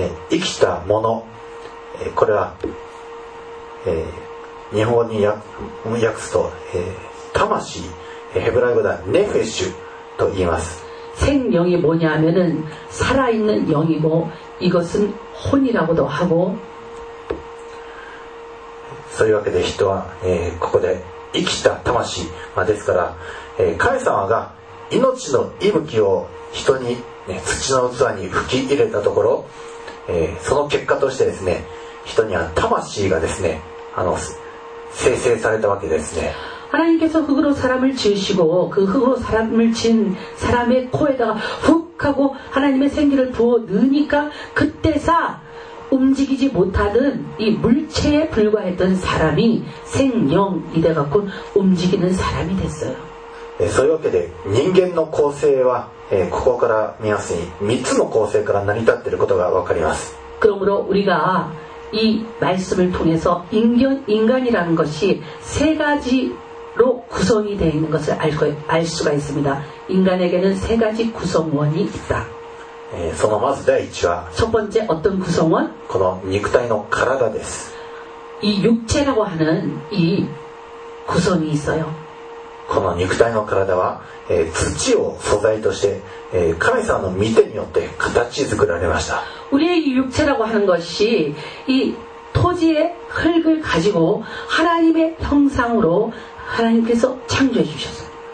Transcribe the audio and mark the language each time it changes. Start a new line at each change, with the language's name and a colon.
Korean: 이키타모노
Japanese: これは日本語に訳すと 魂、ヘブライ語ではネフェシュと言います。
Korean: 생명이 뭐냐면은 살아있는 영이고 이것은 혼이라고도 하고.
Japanese: そういうわけで人は、ここで生きた魂、まあ、ですから、神様が命の息吹を人に、ね、土の器に吹き入れたところ、その結果としてですね、人には魂がですね、生成されたわけですね。
Korean: 하나님께서흙으로사람을지으시고그흙으로사람을친사람의코에다가훅하고하나님의생기를부어넣으니까그때서움직이지못하는이물체에불과했던사람이생령이돼갖고움직이는사람이됐어요
Japanese: そういうわけで人間の構成は、ここから見やすい3つの構成から成り立っていることがわかります。
Korean: 그러므로우리가이말씀을통해서 인간이라는 것이 세 가지로 구성이 되어 있는 것을 알 수가 있습니다. 인간에게는 세 가지 구성원이 있다.
Japanese: そのまず第一は
Korean: 첫번째어떤 구성원?
Japanese: この肉体の体です。
Korean: 이 육체라고 하는 이 구성이 있어요.
Japanese: この肉体の体は土を素材として神様の御手によって形作られました。
Korean: 우리의이육체라고하는것이이토지의흙을가지고하나님의형상으로하나님께서창조해주셨어요